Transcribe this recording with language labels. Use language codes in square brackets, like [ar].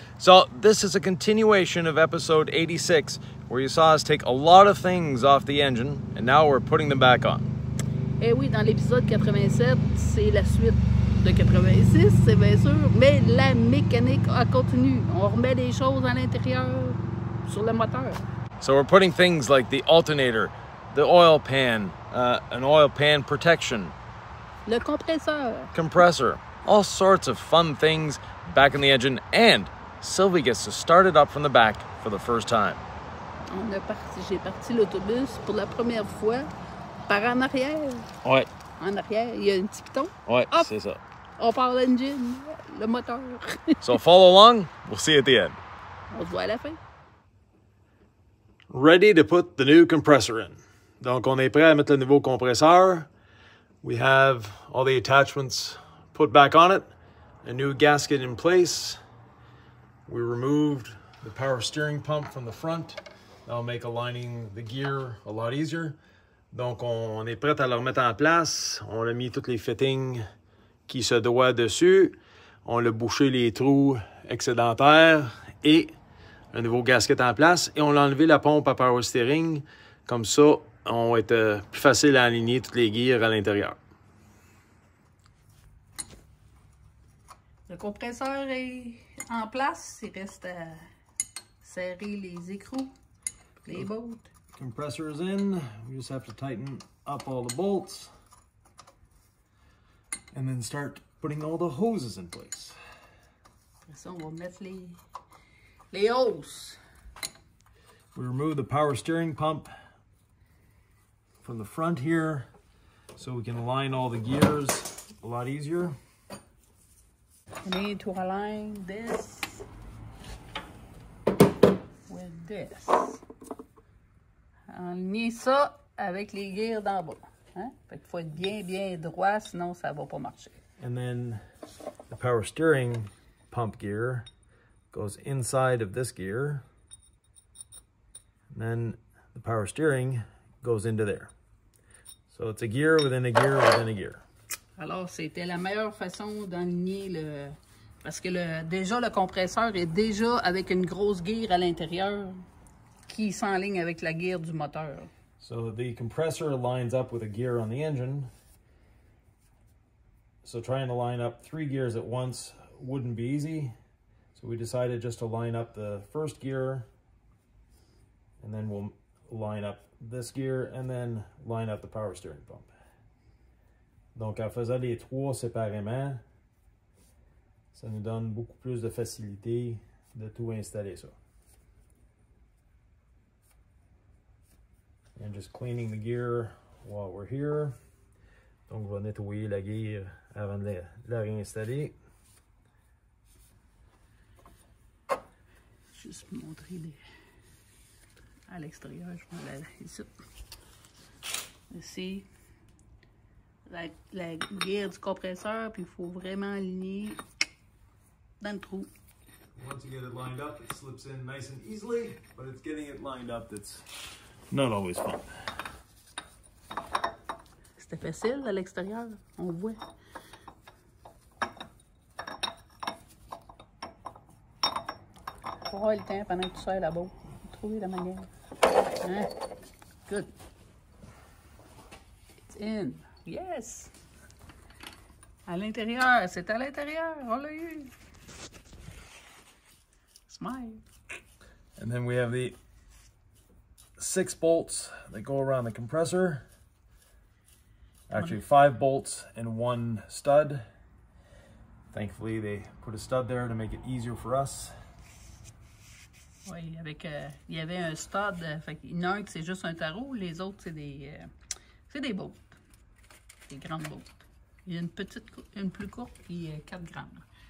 [en] So this is a continuation of episode 86, where you saw us take a lot of things off the engine, and now we're putting them back on. [fr] Eh oui, dans l'épisode 87, c'est la suite de 86, c'est bien sûr, mais la mécanique a continué. On remet des choses à l'intérieur sur le moteur. [en] So we're putting things like the alternator, the oil pan, an oil pan protection. [fr] Le compresseur. [en] Compressor. All sorts of fun things back in the engine, and Sylvie gets to start it up from the back for the first time. [fr] On a parti, j'ai parti l'autobus pour la première fois. Par en arrière. Ouais. En arrière, il y a un petit piton. Ouais, hop, c'est ça. On part l'engine, le moteur. [en] So follow along, we'll see you at the end. [fr] On se voit à la fin. [en] Ready to put the new compressor in. [fr] Donc, on est prêt à mettre le nouveau compresseur. [en] We have all the attachments put back on it. A new gasket in place. We removed the power steering pump from the front. That'll make aligning the gear a lot easier. [fr] Donc, on est prêt à le remettre en place. On a mis toutes les fittings qui se doivent dessus. On a bouché les trous excédentaires et un nouveau gasket en place. Et on a enlevé la pompe à power steering. Comme ça, on va être plus facile à aligner toutes les gears à l'intérieur. Le compresseur est en place. Il reste à serrer les écrous, les bolts. [en] Compressor is in. We just have to tighten up all the bolts and then start putting all the hoses in place. So we'll [fr] mettre les [en] hoses. We remove the power steering pump from the front here so we can align all the gears a lot easier. We need to align this with this. [fr] Aligner ça avec les gears d'en bas. Hein? Fait qu'il faut être bien, bien droit, sinon ça va pas marcher. And then the power steering pump gear goes inside of this gear. And then the power steering goes into there. So it's a gear within a gear within a gear. Alors, c'était la meilleure façon d'aligner le... Parce que déjà, le compresseur est déjà avec une grosse gear à l'intérieur. Qui s'enligne avec la gear du moteur. So the compressor lines up with a gear on the engine. So trying to line up three gears at once wouldn't be easy. So we decided just to line up the first gear. And then we'll line up this gear and then line up the power steering pump. Donc, en faisant les trois séparément, ça nous donne beaucoup plus de facilité de tout installer ça. [en] And just cleaning the gear while we're here. [fr] Donc, on va nettoyer la gear avant de la réinstaller. Juste montrer à l'extérieur, je vais ici. Ici, la gear du compresseur, puis il faut vraiment aligner dans le trou. [en] Once you get it lined up, it slips in nice and easily, but it's getting it lined up that's not always fun. [fr] C'était facile à l'extérieur, on voit. Prends le temps pendant que tu sers là-bas. Trouver la manière. Hein? Good. [en] It's in. Yes. [fr] À l'intérieur, c'est à l'intérieur. On l'a eu. [en] Smile. And then we have the six bolts that go around the compressor. Actually, five bolts and one stud. Thankfully, they put a stud there to make it easier for us. [fr] Oui, avec il y avait un stud. Fait qu'un c'est juste un tarot, les autres c'est des bolts, des grandes bolts. Il y a une petite, une plus courte qui est 4 grammes.